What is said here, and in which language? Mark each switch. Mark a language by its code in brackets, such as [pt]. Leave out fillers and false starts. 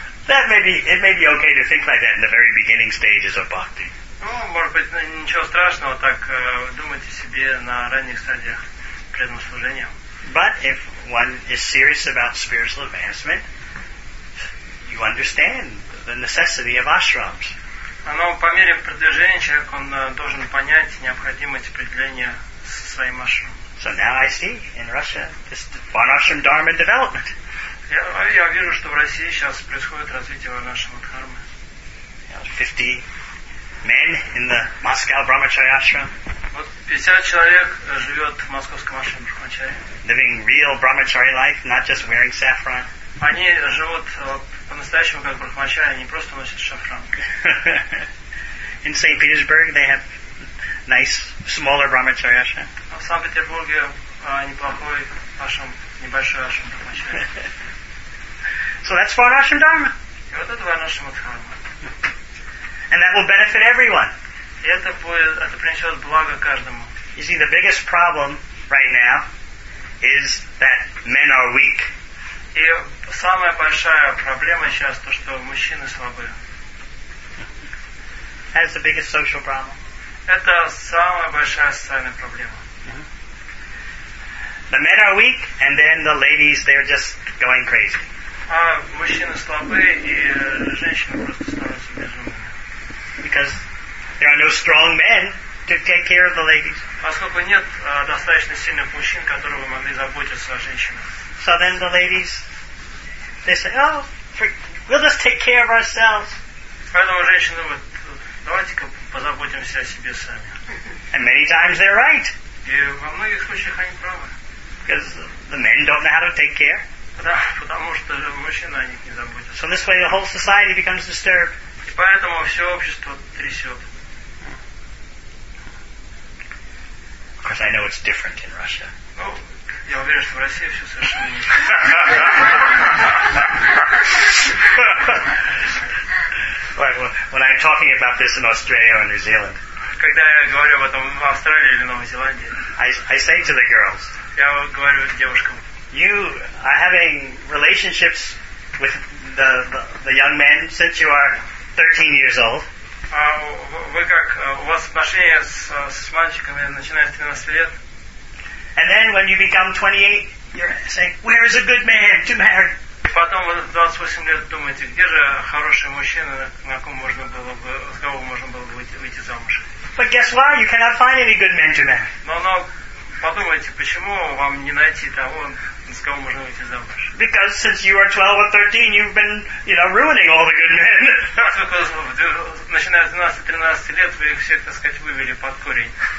[en] It may be okay to think like that in the very beginning stages of bhakti. [ru] Ну, может быть, ничего страшного, так думать о себе на ранних стадиях преданного служения. [en] But if one is serious about spiritual advancement, you understand the necessity of ashrams. [ru] Но по мере продвижения человек он должен понять необходимость определения со своим ашрамом. [en] So now I see in Russia this varnashram dharma development. [ru] Я вижу, что в России сейчас происходит развитие варнашрама дхармы. [en] 50 men in the Moscow Brahmachari ashram. [ru] Вот 50 человек живет в московском ашраме Брахмачари. [en] Living real Brahmachari life, not just wearing saffron. [ru] Они живут по-настоящему как брахмачари, они просто носят шафран. [en] In St. Petersburg they have nice smaller Brahmachari ashram. [ru] А в Санкт-Петербурге неплохой ашрам, небольшой ашрам брахмачари. [en] So that's varnashram dharma. [ru] И вот это варнашрама дхарма. [en] And that will benefit everyone. [ru] Это принесет благо каждому. [en] You see, the biggest problem right now is that men are weak. [ru] И самая большая проблема сейчас то, что мужчины слабые. [en] That's the biggest social problem. [ru] Это самая большая социальная проблема. [en] The men are weak, and then the ladies, they're just going crazy. [ru] А мужчины слабые, и женщины просто становятся безумными. [en] Because there are no strong men to take care of the ladies. [ru] Поскольку нет достаточно сильных мужчин, которые могли заботиться о женщинах. [en] So then the ladies, they say, we'll just take care of ourselves. [ru] Поэтому женщины говорят, давайте-ка позаботимся о себе сами. [en] And many times they're right. [ru] И во многих случаях они правы. [en] Because the men don't know how to take care. [ru] Да, потому что мужчины о них не заботятся. [en] So this way the whole society becomes disturbed. [ru] И поэтому все общество трясет. [en] Of course, I know it's different in Russia. [ru] Ну, я уверен, что в России все совершенно не так. [en] When I'm talking about this in Australia or New Zealand, [ru] когда я говорю об этом в Австралии или Новой Зеландии, [en] I say to the girls, [ru] я говорю девушкам, [en] you are having relationships with the young men since you are 13 years old. [ru] Вы как, у вас отношения с мальчиками начиная с 13 лет? [en] And then when you become 28, you're saying, where is a good man to marry? [ru] Потом вы 28 лет думаете, где же хороший мужчина, на ком можно было бы, с кого можно было бы выйти замуж? [en] But guess what? You cannot find any good man to marry. [ru] Но подумайте, почему вам не найти того, с кого можно выйти замуж? [en] Because since you are 12 or 13, you've been, ruining all the good men. [ru] Начиная с 12-13 лет, вы их всех, так сказать, вывели под корень.